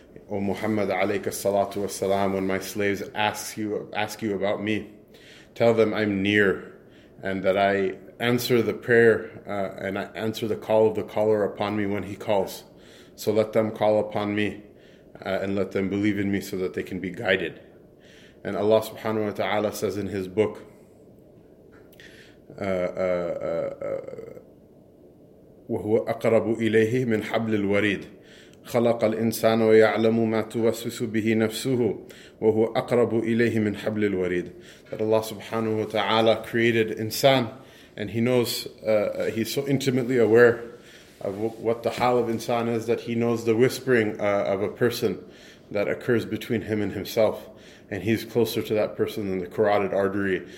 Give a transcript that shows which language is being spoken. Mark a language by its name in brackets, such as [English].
[English] O Muhammad alayka salatu wassalam, when my slaves ask you about me, tell them I'm near and that I answer the prayer and I answer the call of the caller upon me when he calls. So let them call upon me and let them believe in me so that they can be guided. And Allah subhanahu wa ta'ala says in his book, [Arabic] وَهُوَ أَقْرَبُ إِلَيْهِ مِنْ حَبْلِ الْوَرِيدِ خلق الإنسان ويعلم ما توسوس به نفسه وهو أقرب إليه من حبل الوريد. [English] That Allah subhanahu wa ta'ala created insan, and he knows, he's so intimately aware of what the hal of insan is that he knows the whispering of a person that occurs between him and himself, and he's closer to that person than the carotid artery.